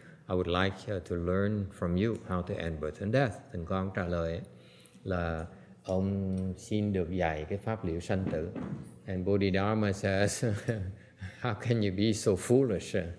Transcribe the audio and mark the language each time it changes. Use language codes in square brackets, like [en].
[en] I would like to learn from you how to end birth and death." [vi] Thành Quang trả lời là ông xin được dạy cái pháp liệu sanh tử. [en] And Bodhidharma says, "How can you be so foolish?